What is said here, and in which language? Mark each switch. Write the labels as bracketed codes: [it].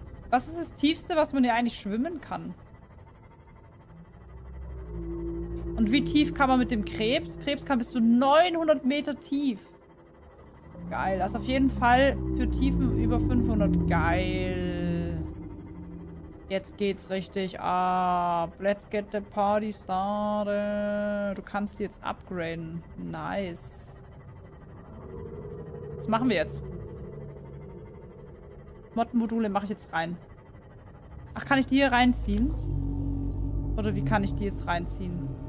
[de] Was ist das Tiefste, was man hier eigentlich schwimmen kann? Und wie tief kann man mit dem Krebs? Krebs kann bis zu 900 Meter tief. Geil. Das ist auf jeden Fall für Tiefen über 500. Geil. Jetzt geht's richtig ab. [en] Let's get the party started. [de] Du kannst jetzt upgraden. Nice. Was machen wir jetzt? Mod-Module mache ich jetzt rein. Ach, kann ich die hier reinziehen? Oder wie kann ich die jetzt reinziehen?